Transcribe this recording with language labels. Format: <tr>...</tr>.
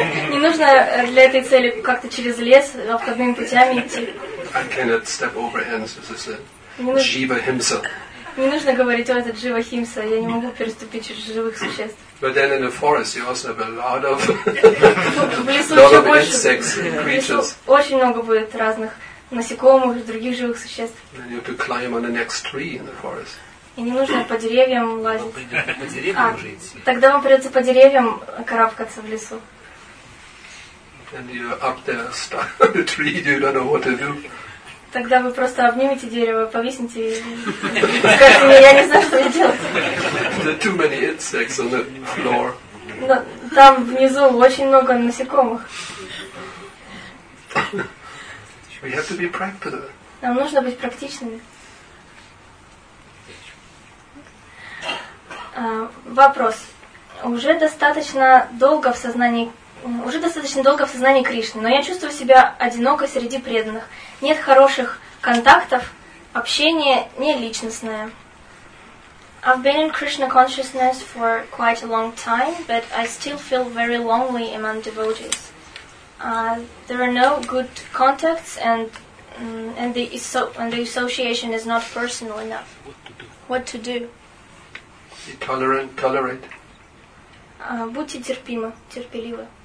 <ru>Не нужно для этой цели как-то через лес, обходными путями идти.</ru> <en>I cannot step over ants, as I said. Jiva Himsa.</en> <ru>Не нужно говорить, о, это Jiva Himsa, я не могу переступить через живых существ.</ru> <en>But then in the forest you also have a lot of insects and creatures.</en> <ru>Очень много будет разных насекомых и других живых существ.</ru> <en>Then you have to climb on the next tree in the forest.</en> <ru>И не нужно по деревьям лазить. По деревьям уже идти. Тогда вам придется по деревьям карабкаться в лесу.</ru> <en>And you're up there stuck on the tree, you don't know what to do.</en> <ru>Тогда вы просто обнимете дерево, повисните и скажете мне, я не знаю, что мне делать.</ru> <en>There are too many insects on the floor.</en> <ru>Но там внизу очень много насекомых.</ru> <en>We have to be practical.</en> <ru>Нам нужно быть практичными. Вопрос. Уже достаточно долго в сознании Кришны, но я чувствую себя одиноко среди преданных. Нет хороших контактов, общение не личностное.</ru> <en>I've been in Krishna consciousness for quite a long time, but I still feel very lonely among devotees. There are no good contacts and the association is not personal enough. What to do? Be tolerant, tolerate.</en> <ru>Будьте терпимы, терпеливы.</ru>